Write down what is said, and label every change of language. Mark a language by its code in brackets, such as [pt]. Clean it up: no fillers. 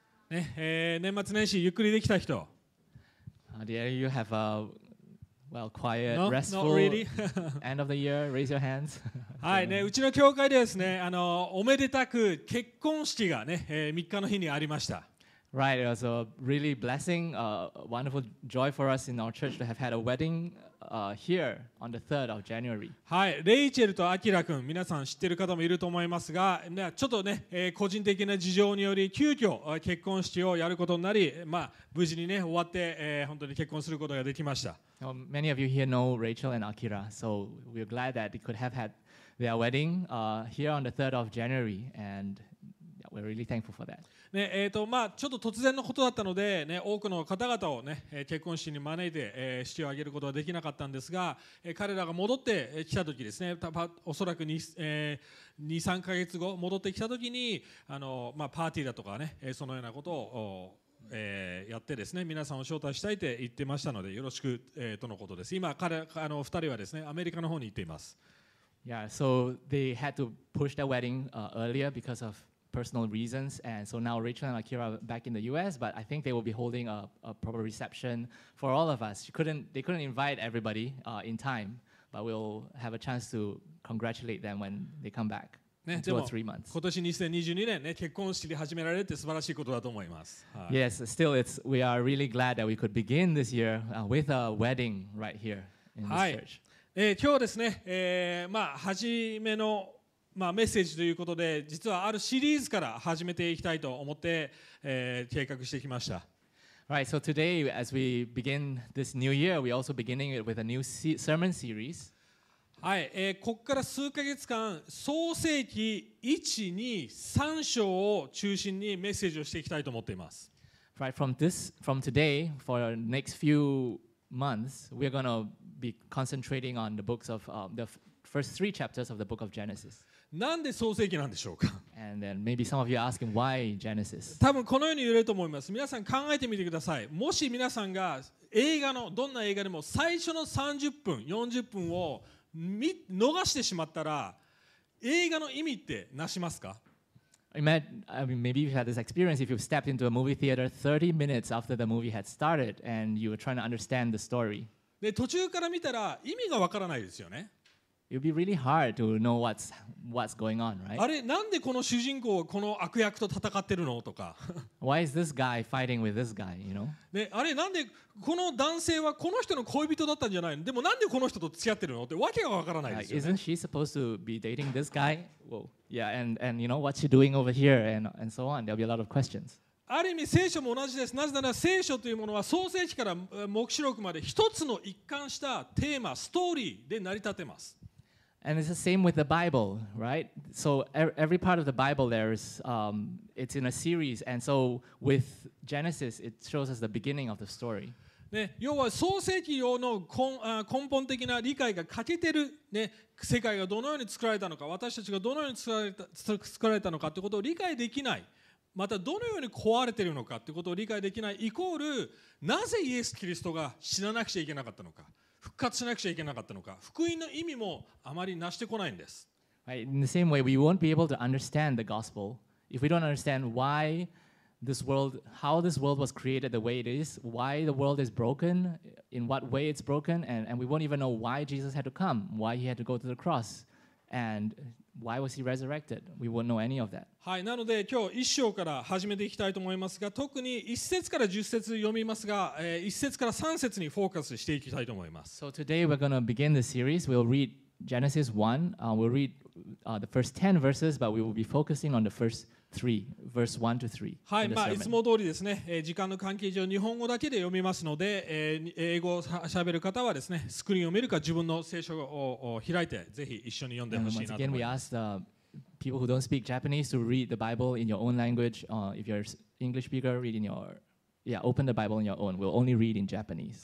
[ja] ね、年末年始ゆっくりできた人? [en] Do you have a well, quiet, no, restful not、really. end of the year? Raise your hands. [ja] はい、ね、うちの教会でですね、あの、おめでたく結婚式がね、3日の日にありました。 [en] Right, it was a really blessing, a wonderful joy for us in our church to have had a wedding here on the 3rd of January. [ja] はい、レイチェルとアキラ君、皆さん知ってる方もいると思いますが、ちょっとね、個人的な事情により急遽結婚式をやることになり、まあ、無事にね、終わって、本当に結婚することができました。 [en] Well, many of you here know Rachel and Akira, so we're glad that they could have had their wedding here on the 3rd of January, and we're really thankful for that. [ja] ね、まあ、ちょっと突然のことだったので、ね、多くの方々を、ね、結婚式に招いて、式を挙げることはできなかったんですが、彼らが戻ってきたときですね、おそらく 2、3 ヶ月後戻ってきたときに、あの、まあ、パーティーだとかね、そのようなことを、やってですね、皆さんを招待したいと言ってましたので、よろしく、とのことです。今彼あの2人はですね、アメリカの方に行っています。 [en] Yeah, so they had to push their wedding earlier because ofpersonal reasons, and so now Rachel and Akira are back in the U.S. But I think they will be holding a proper reception for all of us. They couldn't invite everybody in time, but we'll have a chance to congratulate them when they come back for 3 months. [ja] 今年2022年ね、結婚式で始められて素晴らしいことだと思います。 [en] Yes, still it's we are really glad that we could begin this year with a wedding right here in this church. [ja] 今日ですね、まあ初めのまあ、メッセージということで、実はあるシリーズから始めていきたいと思って、計画してきました。 [en] Right, so today as we begin this new year, we're also beginning it with a new sermon series. [ja] はい、ここから数ヶ月間、創世記 1、2、3章を中心にメッセージをしていきたいと思っています。 [en] Right, from today, for the next few months, we're going to be concentrating on the books of the first three chapters of the book of Genesis. [ja] なんで創世記なんでしょうか? [en] And then maybe some of you are asking why Genesis. [ja] 多分このように言えると思います。皆さん考えてみてください。もし皆さんが映画のどんな映画でも最初の30分、40分を逃してしまったら、映画の意味ってなしますか? [en] Maybe you've had this experience if you've stepped into a movie theater 30 minutes after the movie had started and you were trying to understand the story. [ja] で、途中から見たら意味がわからないですよね。 [en] It would be really hard to know what's going on, right? [ja] あれ、なんでこの主人公はこの悪役と戦ってるのとか。 [en] Why is this guy fighting with this guy, you know? [ja] で、あれ、なんでこの男性はこの人の恋人だったんじゃないの? でもなんでこの人と付き合ってるのってわけがわからないですよね。 [en] Isn't she supposed to be dating this guy? Well, yeah, and you know, what's she doing over here? And so on. There'll be a lot of questions. [ja] ある意味聖書も同じです。なぜなら聖書というものは創世記から黙示録まで一つの一貫したテーマ、ストーリーで成り立てます。 [en] And it's the same with the Bible, right? So every part of the Bible there is, it's in a series. And so with Genesis, it shows us the beginning of the story. [ja] ね、要は創世記用の根本的な理解が欠けてる、ね、世界がどのように作られたのか、私たちがどのように作られたのかということを理解できない。またどのように壊れているのかということを理解できない。イコール、なぜイエス・キリストが死ななくちゃいけなかったのか。復活しなくちゃいけなかったのか、福音の意味もあまり成してこないんです。 [en] Right. In the same way, we won't be able to understand the gospel if we don't understand why this world, how this world was created the way it is, why the world is broken, in what way it's broken, and we won't even know why Jesus had to come, why he had to go to the cross, and why was he resurrected. We won't know any of that. [ja] はい、なので今日1章から始めていきたいと思いますが、特に1節から10節読みますが、1節から3節にフォーカスしていきたいと思います。 [en] So today we're going to begin the series. We'll read Genesis 1. We'll read the first 10 verses, but we will be focusing on the first 3, verse 1 to 3. [ja] はい、まあいつも通りですね、時間の関係上日本語だけで読みますので、英語をしゃべる方はですね、スクリーンを見るか自分の聖書を開いてぜひ一緒に読んでほしいなと思います。 [en] Once again, we asked people who don't speak Japanese to read the Bible in your own language. If you're an English speaker, read in your... Yeah, open the Bible on your own. We'll only read in Japanese.